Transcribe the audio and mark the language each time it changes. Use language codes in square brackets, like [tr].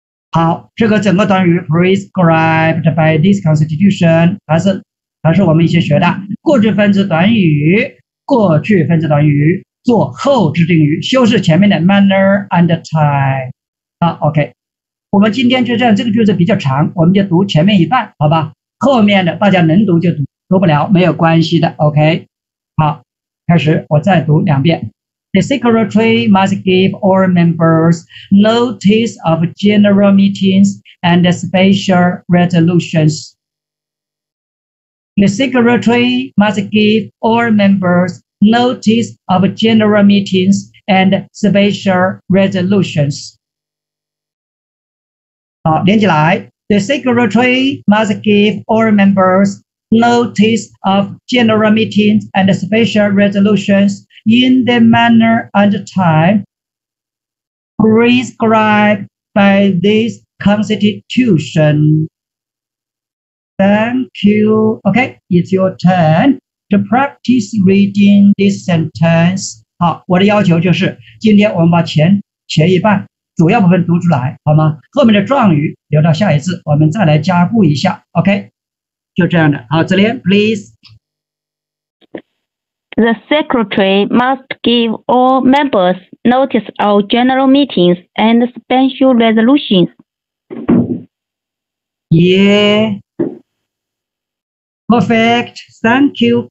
[zh] 好，这个整个短语 [en] prescribed by this constitution [zh] 还是我们以前学的过去分词短语，过去分词短语做后置定语，修饰前面的 manner and time. 好 ，OK。我们今天就这样，这个句子比较长，我们就读前面一半，好吧？后面的大家能读就读，读不了没有关系的 ，OK？好，开始，我再读两遍。 [en] The secretary must give all members notice of general meetings and special resolutions. The secretary must give all members notice of general meetings and special resolutions. [zh] 好，连起来。 [en] The secretary must give all members notice of general meetings and special resolutions in the manner and time prescribed by this constitution. Thank you. Okay, it's your turn to practice reading this sentence. [zh] 好，我的要求就是今天我们把前一半主要部分读出来好吗？后面的状语留到下一次我们再来加固一下， OK， 就这样的。好，子莲 please。 [en] The secretary must give all members notice of general meetings and special resolutions. Yeah, perfect, thank you.